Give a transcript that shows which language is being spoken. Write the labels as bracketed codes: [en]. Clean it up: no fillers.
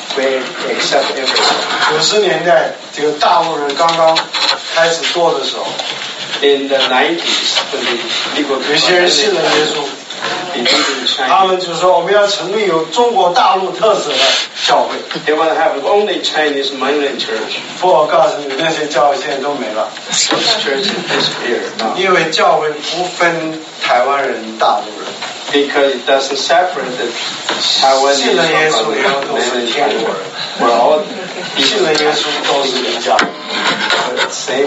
[en] ，we accept everyone. [zh] 90年代这个大陆人刚刚开始多的时候 [en] ，in the 90s， [zh] 有些人信了耶稣。他们就说我们要成立有中国大陆特色的教会。 [en] They want to have only Chinese mainland church. [zh] 不，我告诉你，那些教会现在都没了。 [en] Those churches disappeared. [zh] 因为教会不分台湾人、大陆人。 [en] Because it doesn't separate the Taiwanese from mainland China. We're all [zh] 信了耶稣都是人家。Same